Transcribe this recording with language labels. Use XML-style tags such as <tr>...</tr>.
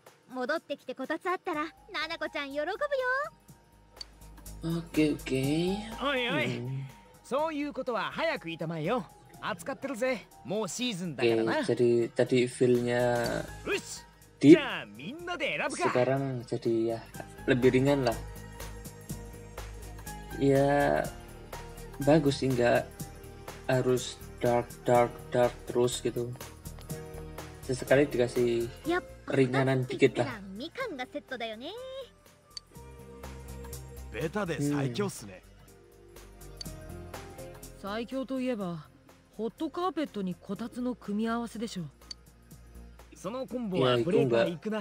<ja>戻ってきてこたつあったら、ナナコちゃん喜ぶよ。オッケー、オッケー。おいおい、そういうことは早く言いたまえよ。扱ってるぜ。もうシーズンだからな。</ja> <id>jadi tadi feel-nya</id> <en>deep.</en> <ja>じゃあみんなで選ぶか。</ja> <id>sekarang jadi ya lebih ringan lah. ya bagus sih, nggak harus dark terus gitu. sesekali dikasih ringanan dikit lah.</id> <ja>みかんがセットだよね。ベタで最強っすね。最強といえば。ホットカーペットにこたつの組み合わせでしょう。そのコンボはブレイカー行くな。</ja>